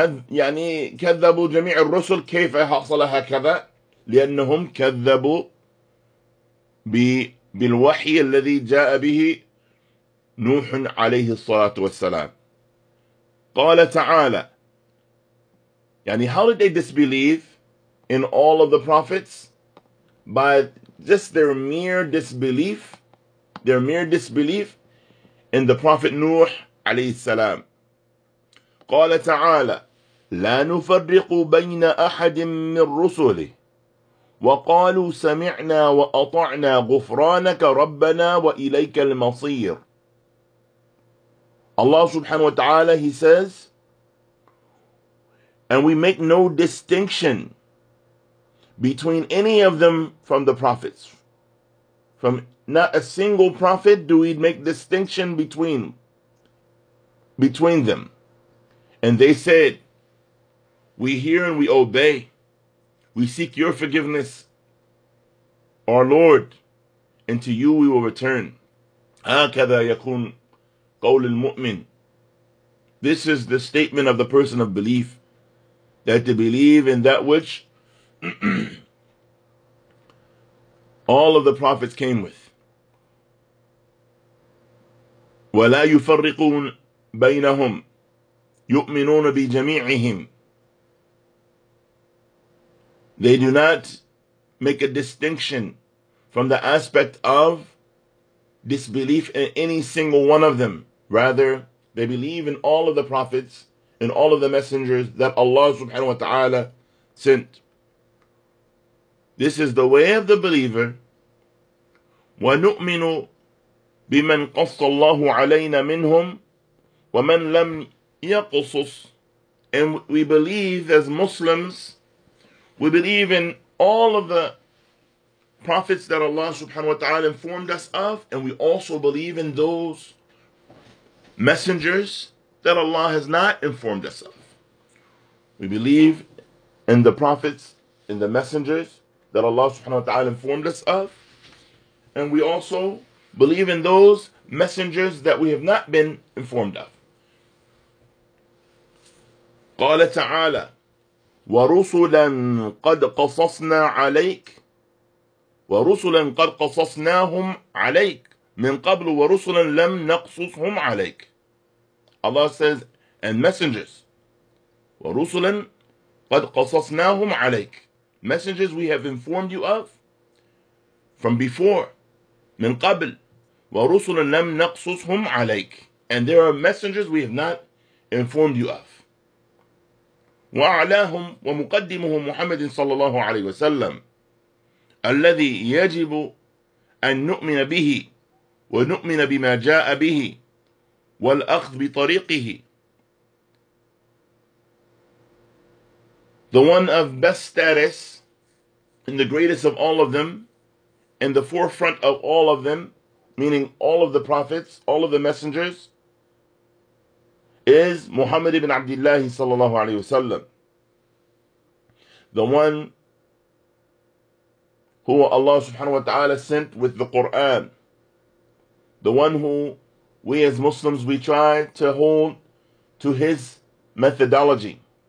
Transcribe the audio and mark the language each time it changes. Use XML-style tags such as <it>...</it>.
<ar>يعني كذبوا جميع الرسل. كيف حصل هكذا؟ لأنهم كذبوا بالوحي الذي جاء به نوح عليه الصلاة والسلام. قال تعالى يعني</ar> <en>how did they disbelieve in all of the prophets? By just their mere disbelief, their mere disbelief in the Prophet Nuh عليه السلام.</en> <ar>قال تعالى لا نفرق بين أحد من رسله وقالوا سمعنا وأطعنا غفرانك ربنا وإليك المصير.</ar> <en>Allah subhanahu wa ta'ala, he says, and we make no distinction between any of them from the prophets. From not a single prophet do we make distinction between them. And they said, we hear and we obey. We seek your forgiveness, our Lord, and to you we will return.</en> <ar>هكذا يكون قول المؤمن.</ar> <en>This is the statement of the person of belief, that they believe in that which all of the prophets came with.</en> <ar>ولا يفرقون بينهم يؤمنون بجميعهم.</ar> <en>They do not make a distinction from the aspect of disbelief in any single one of them. Rather, they believe in all of the prophets and all of the messengers that Allah subhanahu wa ta'ala sent. This is the way of the believer.</en> <ar>وَنُؤْمِنُ بِمَنْ قَصَّ اللَّهُ عَلَيْنَا مِنْهُمْ وَمَنْ لَمْ يقصص.</ar> <en>And we believe as Muslims, we believe in all of the prophets that Allah subhanahu wa ta'ala informed us of, and we also believe in those messengers that Allah has not informed us of. We believe in the prophets, in the messengers that Allah subhanahu wa ta'ala informed us of, and we also believe in those messengers that we have not been informed of.</en> <ar>قال تعالى ورسلا قد قصصنا عليك ورسلا قد قصصناهم عليك من قبل ورسلا لم نقصصهم عليك.</ar> <en>Allah says, and messengers,</en> <ar>ورسلا قد قصصناهم عليك,</ar> <en>messengers we have informed you of from before,</en> <ar>من قبل, ورسلا لم نقصصهم عليك,</ar> <en>and there are messengers we have not informed you of.</en> <ar>وأعلاهم ومقدمهم محمد صلى الله عليه وسلم الذي يجب أن نؤمن به ونؤمن بما جاء به والأخذ بطريقه.</ar> <en>The one of best status and the greatest of all of them and the forefront of all of them, meaning all of the prophets, all of the messengers, is Muhammad ibn Abdullah sallallahu alayhi wasallam, the one who Allah subhanahu wa ta'ala sent with the Quran, the one who we as Muslims we try to hold to his methodology.</en>